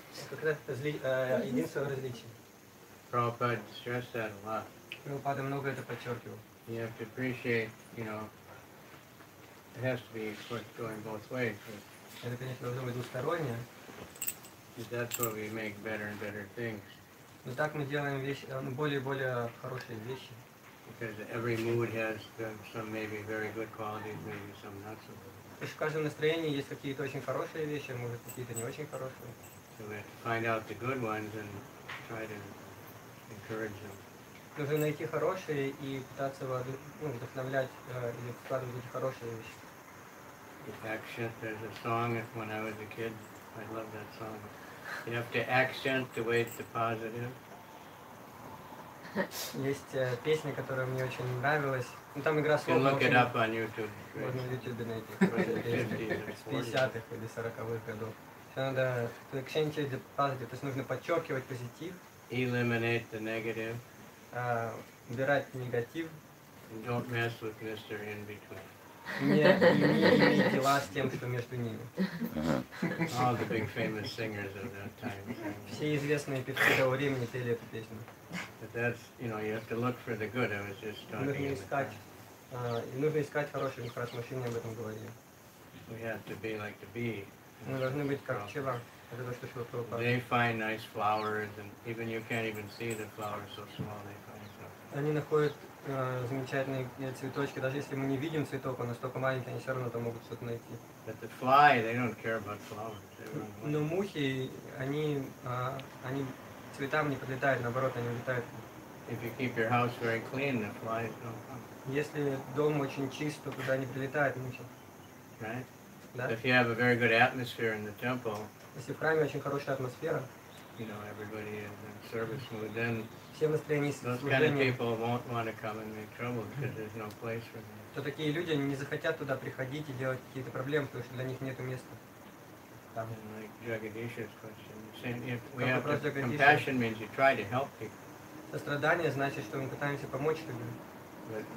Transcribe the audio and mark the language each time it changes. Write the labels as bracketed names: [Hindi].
[Russian] Как раз единство различий. [English] Prabhupada stressed that a lot. [Russian] Прабхупада много это подчеркивал. [English] You have to appreciate, you know, it has to be going both ways. [Russian] Это, конечно, должно быть двустороннее. [English] Because that's where we make better and better things. [Russian] Но так мы делаем вещи, более и более хорошие вещи. [English] Because every mood has some maybe very good qualities, maybe some not so good. [Russian] То есть в каждом настроении есть какие-то очень хорошие вещи, может какие-то не очень хорошие. [English] So we have to find out the good ones and try to encourage them. Нужно найти хорошие и пытаться вдохновлять или вкладывать эти хорошие вещи. Accent. There's a song that when I was a kid, I loved that song. You have to accent the way it's the positive. [Russian] Есть песня, которая мне очень нравилась. Ну там игра слов. Можно на YouTube найти. 50-х или 40-х годов. Все надо [English] accentuate the positive, [Russian] то есть нужно подчеркивать позитив. [English] Eliminate the negative. [Russian] Убирать негатив. [English] Don't mess with mystery in between. [Russian] Не имеет дела с тем, что между ними. [English] All the big famous singers of that time. [Russian] Все известные певцы того времени пели эту песню. [English] But that's, you know, you have to look for the good. I was just talking about. [Russian] Нужно искать хорошие, как раз мужчины об этом говорили. [English] We have to be like the bee. [Russian] Мы должны быть как пчела. Это то, что Шрила Прабхупада. [English] They find nice flowers, and even you can't even see the flowers, so small they find something. [Russian] Они находят замечательные цветочки, даже если мы не видим цветок, он настолько маленький, они все равно там могут что-то найти. [English] But the fly, they don't care about flowers. [Russian] Но мухи, они цветам не подлетают, наоборот, они улетают. [English] If you keep your house very clean, the flies don't come. [Russian] Если дом очень чист, то туда не прилетают мухи. [English] Right? [Russian] Да? [English] If you have a very good atmosphere in the temple. [Russian] Если в храме очень хорошая атмосфера. [English] You know, everybody is in service mood, then. [Russian] Всем настроение служения. [English] Those kind of people won't want to come and make trouble because there's no place for them. [Russian] То такие люди не захотят туда приходить и делать какие-то проблемы, потому что для них нету места. [English] Compassion means you try to help people. [Russian] Сострадание значит, что мы пытаемся помочь людям.